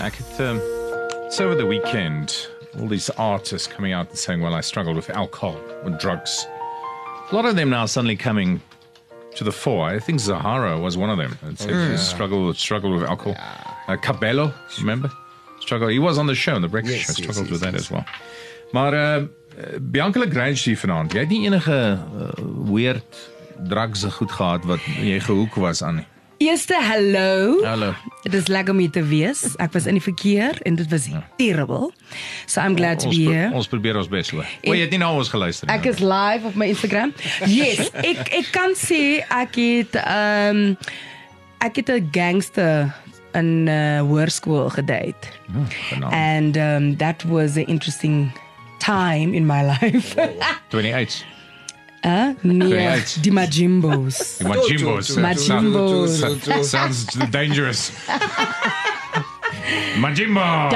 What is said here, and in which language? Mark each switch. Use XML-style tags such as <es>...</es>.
<en>I could, it's over the weekend. All these artists coming out and saying, well, I struggled with alcohol or drugs. A lot of them now suddenly coming to the fore. I think Zahara was one of them. Struggled with alcohol. Yeah. Cabello, remember? He was on the show, on the breakfast show. Struggled with that as well.</en> <af>But Bianca LaGrange, die vanavond, jy het nie enige weird drugs goed gehad wat jy gehoek was aan nie. Eerste, hallo. Hallo. Het is lekker om hier te wees. Ek was in die verkeer en dit was terrible.</af> <en>So I'm glad to be here.</en> <af>Ons probeer ons best hoor. Jy het nie na ons geluister. Ek is live op my Instagram. Yes, ek kan sê ek het 'n gangster in hoërskool gedate.</af> <en>And that was an interesting time in my life. 28. The Majimbos. The Majimbos. Majimbos. Sounds dangerous. Majimbo.</en>